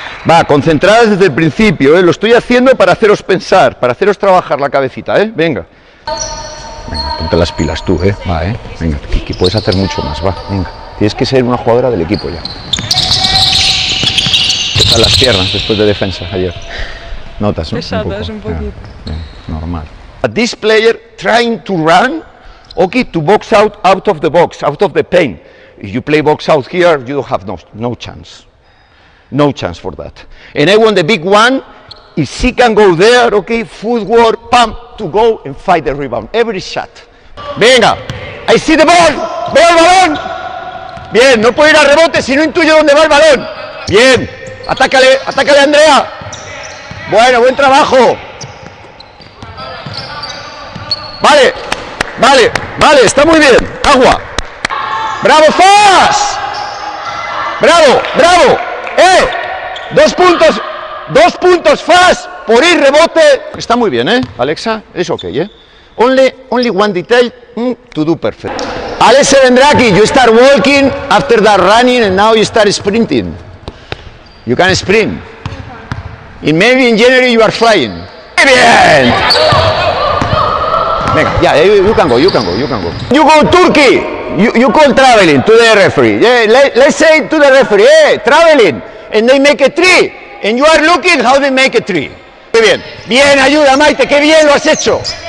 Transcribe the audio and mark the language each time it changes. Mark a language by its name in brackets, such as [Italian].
[Spanish] Va, concentradas desde el principio, ¿eh? Lo estoy haciendo para haceros pensar, para haceros trabajar la cabecita, ¿eh? Venga. Venga, ponte las pilas tú, ¿eh? Va, ¿eh? Venga, que puedes hacer mucho más, va, venga. Tienes que ser una jugadora del equipo ya. ¿Qué tal las piernas después de defensa ayer? Notas, ¿no? Pesadas, un poquito. Normal. [English] But this player trying to run, okay, to box out of the box, out of the paint. If you play box out here, you have no chance. No chance for that. And I want the big one, if she can go there, okay, footwork, pump, to go and fight the rebound. Every shot. [Spanish] Venga, [English] I see the ball, [Spanish] veo el balón. Bien, no puedo ir a rebote si no intuyo dónde va el balón. Bien, atácale, atácale, Andrea. Bueno, buen trabajo. Vale, vale, vale, está muy bien. Agua. ¡Bravo, Zas! ¡Bravo, bravo! ¡Eh! Dos puntos, Zas, por ir rebote. Está muy bien, ¿eh, [English] Alexa? Es ok, ¿eh? Only one detail to do perfect. Alex Serendraki, you start walking after that running and now you start sprinting. You can sprint. And maybe in January you are flying. [Spanish] ¡Muy bien! Venga, ya, [English] yeah, you can go, you can go, you can go. You go Turkey, you call traveling to the referee. Yeah, let's say to the referee, hey, traveling, and they make a three. And you are looking how they make a three. [Spanish] Muy bien, bien, ayuda, Maite, qué bien lo has hecho.